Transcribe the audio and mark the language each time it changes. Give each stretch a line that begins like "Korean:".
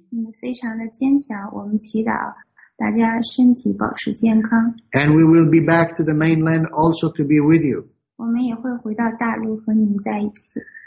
Chinese: 你们非常的坚强，我们祈祷大家身体保持健康。
English: And we will be back to the mainland also to be with you.
Chinese: 我们也会回到大陆和你们在一起。